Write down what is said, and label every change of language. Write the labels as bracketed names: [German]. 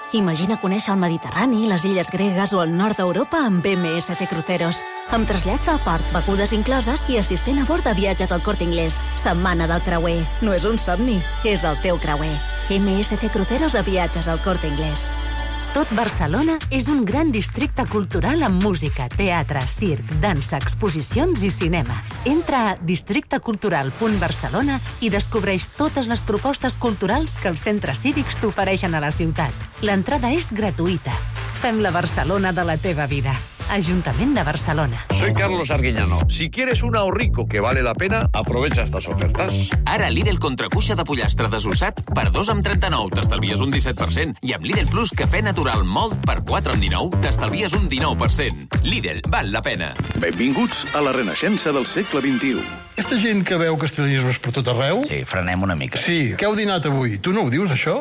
[Catalan] Imagina conèixer el Mediterrani, les illes gregues o el nord d'Europa amb MSC Cruceros. Amb trasllats al port, begudes incloses i assistent a bord de Viatges al Corte Inglés. Setmana del creuer. No és un somni, és el teu creuer. MSC Cruceros a Viatges al Corte Inglés. Tot Barcelona és un gran districte cultural amb música, teatre, circ, dansa, exposicions i cinema. Entra a districtecultural.barcelona i descobreix totes les propostes culturals que els centres cívics t'ofereixen a la ciutat. L'entrada és gratuïta. Fem la Barcelona de la teva vida. [Spanish] Ayuntamiento de Barcelona. Soy Carlos Arguiñano. Si quieres un ahorrico que vale la pena, aprovecha estas ofertas. [Catalan] Ara Lidl contracuixa de pollastre desossat per 2,39, t'estalvies un 17%. I amb Lidl Plus cafè natural molt per 4,19, t'estalvies un 19%. Lidl, val la pena. Benvinguts a la renaixença del segle XXI. Aquesta gent que veu castellanismes per tot arreu... Sí, frenem una mica. Sí. Què heu dinat avui? Tu no ho dius, això?